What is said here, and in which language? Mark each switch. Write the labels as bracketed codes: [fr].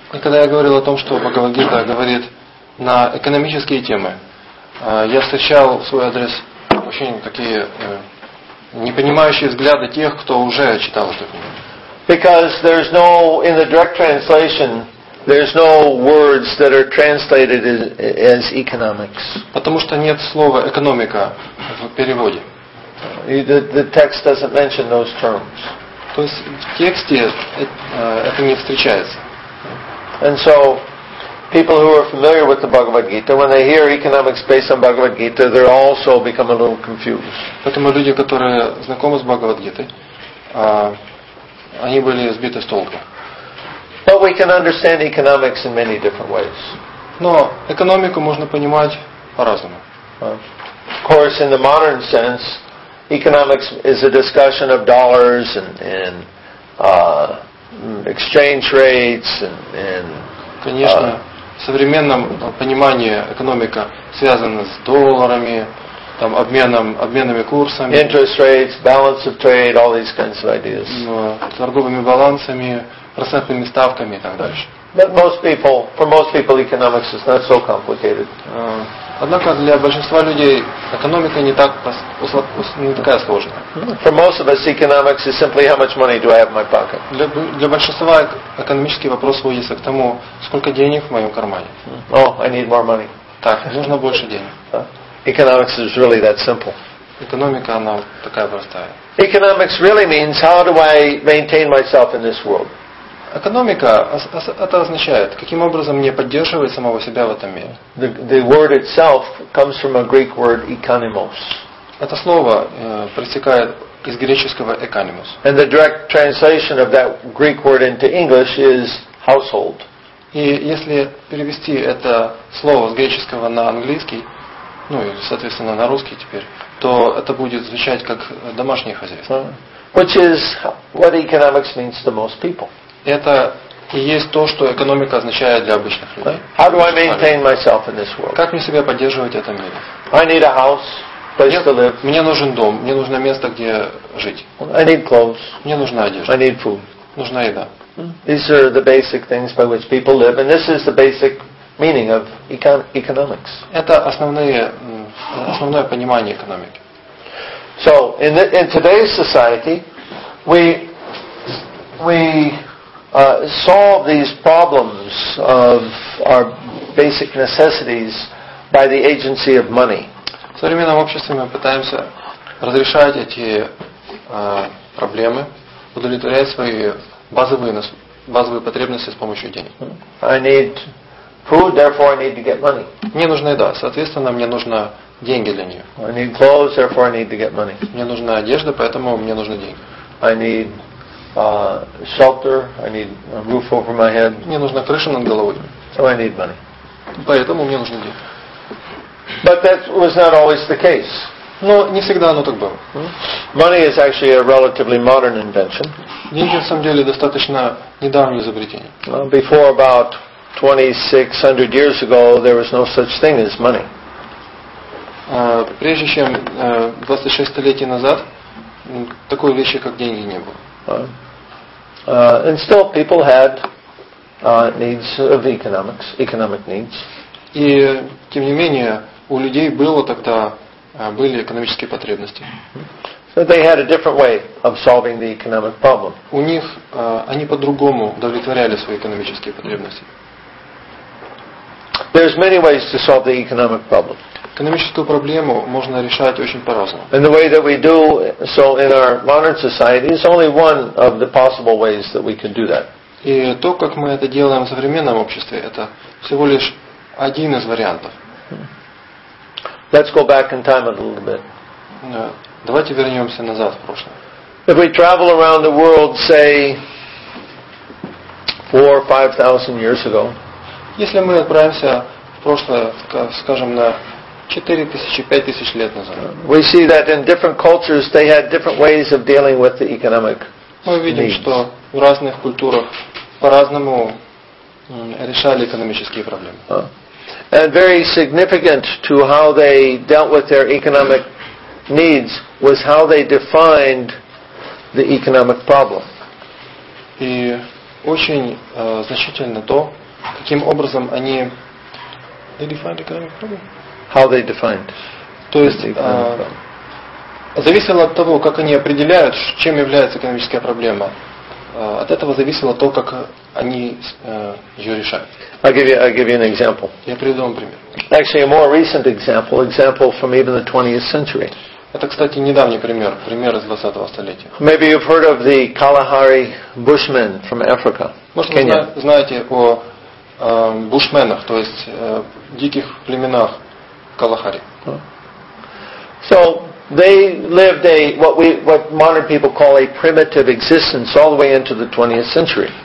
[ru] И когда я говорил о том, что Bhagavad Gita говорит на экономические темы, я встречал в свой адрес очень такие непонимающие взгляды тех, кто уже читал эту книгу. [en] Because there's no in the direct translation, there's no words that are translated as economics. [ru] Потому что нет слова экономика в переводе. [en] The text doesn't mention those terms. [ru] То есть в тексте это не встречается. [en] And so people who are familiar with the Bhagavad Gita, when they hear economics based on Bhagavad Gita, they also become a little confused. [ru] Поэтому люди, которые знакомы с Бхагавад Гитой, они были сбиты с толку. [en] But we can understand economics in many different ways. [ru] Но экономику можно понимать по-разному. [en] Of course, in the modern sense, economics is a discussion of dollars and exchange rates and [ru] конечно. В современном понимании экономика связана с долларами, там, обменными курсами, [en] interest rates, balance of trade, all these kinds of ideas. [ru] Торговыми балансами, процентными ставками и так дальше. [en] But for most people economics is not so complicated. [ru] Однако для большинства людей экономика не так не такая сложная. [en] For most of us, economics is simply how much money do I have in my pocket. [ru] Для большинства экономический вопрос сводится к тому, сколько денег в моем кармане. [en] Oh, I need more money. [ru] Так, нужно больше денег. [en] Economics is really that simple. [ru] Экономика она такая простая. [en] Economics really means how do I maintain myself in this world. [ru] Экономика это означает, каким образом мне поддерживать самого себя в этом мире. [en] The word itself comes from a Greek word economos. [ru] Это слово проистекает из греческого economos. [en] And the direct translation of that Greek word into English is household. [ru] И если перевести это слово с греческого на английский, ну и, соответственно, на русский теперь, то это будет звучать как домашнее хозяйство. [en] Which is what economics means to most people. [ru] Это и есть то, что экономика означает для обычных людей. [en] How do I maintain myself in this world? [ru] Как мне себя поддерживать в этом мире? [en] I need a house, place to live. [ru] Мне нужен дом, мне нужно место, где жить. [en] I need clothes. [ru] Мне нужна одежда. [en] I need food. [ru] Нужна еда. [en] These are the basic things by which people live, and this is the basic meaning of economics. [ru] Это основное понимание экономики. [en] So in today's society, we solve these problems of our basic necessities by the agency of money. [ru] В современном обществе мы пытаемся разрешать эти проблемы, удовлетворять свои базовые потребности с помощью денег. [en] I need food, therefore I need to get money. [ru] Мне нужна еда, соответственно, мне нужны деньги для нее. [en] I need clothes, therefore I need to get money. [ru] Мне нужна одежда, поэтому мне нужны деньги. [en] I need shelter, I need a roof over my head. [ru] Мне нужна крыша над головой. [en] So I need money. [ru] Поэтому мне нужны деньги. [en] But that was not always the case. [ru] Но не всегда оно так было. [en] Money is actually a relatively modern invention. [ru] Деньги, на самом деле, достаточно недавнее изобретение. [en] Before about 2600 years ago, there was no such thing as money. [ru] Прежде чем 26 столетий назад, такой вещи, как деньги, не было. [en] And still people had needs of economics, economic needs. [ru] И, тем не менее, у людей было тогда были экономические потребности. [en] So they had a different way of solving the economic problem. [ru] У них они по-другому удовлетворяли свои экономические потребности. [en] There's many ways to solve the economic problem. [ru] Экономическую проблему можно решать очень по-разному. [en] And the way that we do so in our modern society is only one of the possible ways that we can do that. [ru] И то, как мы это делаем в современном обществе, это всего лишь один из вариантов. [en] Let's go back in time a little bit. [ru] Давайте вернемся назад в прошлое. [en] If we travel around the world, say, 4,000 or 5,000 years ago. [ru] Если мы отправимся в прошлое, скажем, на 4,000 or 5,000 лет назад. [en] We see that in different cultures they had different ways of dealing with the economic needs. [ru] Мы видим, что в разных культурах по-разному решали экономические проблемы. [en] And very significant to how they dealt with their economic needs was how they defined the economic problem. [ru] И очень значительно то, каким образом они [en] they defined economic problem. How they defined. [ru] То есть зависело от того, как они определяют, чем является экономическая проблема. От этого зависело то, как они ее решают. [en] I'll give you an example. [ru] Я приведу вам пример. [en] Actually, a more recent example from even the 20th century. [ru] Это, кстати, недавний пример, пример из 20-го столетия. [en] Maybe you've heard of the Kalahari Bushmen from Africa. [ru] Может, вы знаете о бушменах, то есть диких племенах Калахари. [en] So they lived what modern people call a primitive existence all the way into the 20th century.